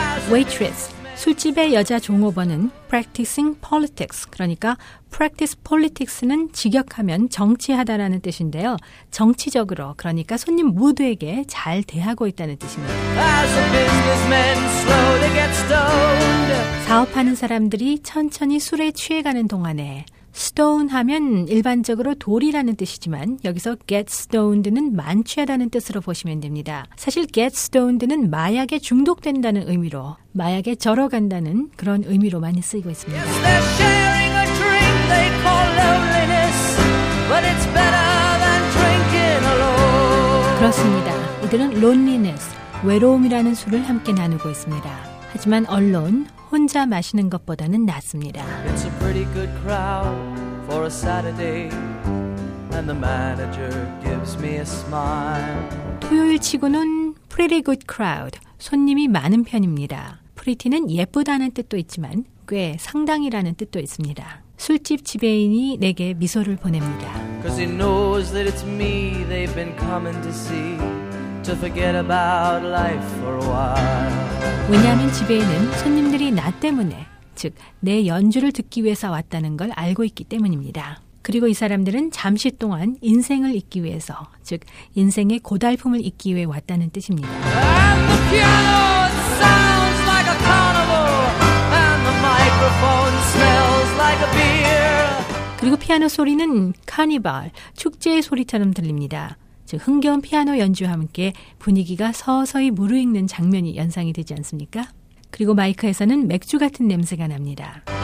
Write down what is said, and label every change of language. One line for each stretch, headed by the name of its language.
Korean: Waitress, 술집의 여자 종업원은 practicing politics, 그러니까 practice politics는 직역하면 정치하다라는 뜻인데요. 정치적으로, 그러니까 손님 모두에게 잘 대하고 있다는 뜻입니다.
English: As a businessman slowly gets stoned.
Korean: 사업하는 사람들이 천천히 술에 취해가는 동안에 stone 하면 일반적으로 돌이라는 뜻이지만 여기서 get stoned는 만취하다는 뜻으로 보시면 됩니다. 사실 get stoned는 마약에 중독된다는 의미로 마약에 절어 간다는 그런 의미로 많이 쓰이고 있습니다.
English: Yes, they're sharing a drink they call loneliness, but it's better than drinking alone.
Korean: 그렇습니다. 이들은 loneliness, 외로움이라는 술을 함께 나누고 있습니다. 하지만 언론 혼자 마시는 것보다는 낫습니다.
English: It's a pretty good crowd for a Saturday and the manager gives me a smile.
Korean: 토요일 치고는
English: pretty good crowd,
Korean: 손님이 많은 편입니다. Pretty는 예쁘다는 뜻도 있지만 꽤 상당이라는 뜻도 있습니다. 술집 지배인이 내게 미소를 보냅니다.
English: Cause he knows that it's me they've been coming to see to forget about life for a while.
Korean: 왜냐하면 지배인은 손님들이 나 때문에, 즉 내 연주를 듣기 위해서 왔다는 걸 알고 있기 때문입니다. 그리고 이 사람들은 잠시 동안 인생을 잊기 위해서, 즉 인생의 고달픔을 잊기 위해 왔다는 뜻입니다.
English: And the piano sounds like a carnival and the microphone smells like a beer.
Korean: 그리고 피아노 소리는 카니발, 축제의 소리처럼 들립니다. 즉 흥겨운 피아노 연주와 함께 분위기가 서서히 무르익는 장면이 연상이 되지 않습니까? 그리고 마이크에서는 맥주 같은 냄새가 납니다.